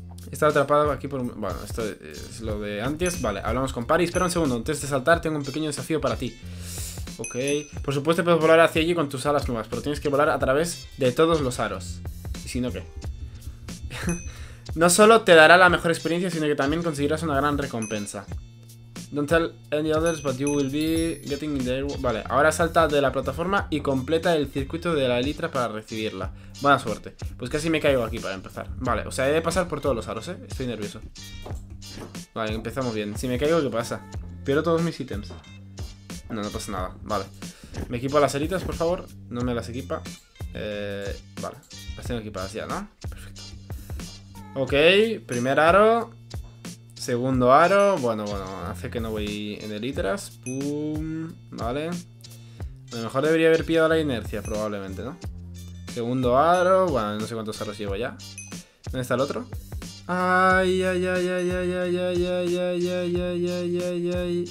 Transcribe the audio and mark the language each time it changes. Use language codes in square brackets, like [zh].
[es] Estaba atrapado aquí por... Bueno, esto es lo de antes. Vale, hablamos con Paris. Espera un segundo. Antes de saltar, tengo un pequeño desafío para ti. Ok. Por supuesto, puedes volar hacia allí con tus alas nuevas. Pero tienes que volar a través de todos los aros. ¿Y si no qué? No solo te dará la mejor experiencia, sino que también conseguirás una gran recompensa. [en] Don't tell any others, but you will be getting there. [es] Vale, ahora salta de la plataforma y completa el circuito de la elitra para recibirla. Buena suerte. Pues casi me caigo aquí para empezar. Vale, o sea, he de pasar por todos los aros, ¿eh? Estoy nervioso. Vale, empezamos bien. Si me caigo, ¿qué pasa? Pierdo todos mis ítems. No, no pasa nada. Vale. Me equipo las elitas, por favor. No me las equipa. Vale. Las tengo equipadas ya, ¿no? Perfecto. Ok, primer aro. Segundo aro, bueno, hace que no voy en elitras. Pum, vale. A lo mejor debería haber pillado la inercia, probablemente, ¿no? Segundo aro, bueno, no sé cuántos aros llevo ya. ¿Dónde está el otro? Ay, ay, ay, ay, ay, ay, ay, ay, ay, ay, ay, ay, ay, ay.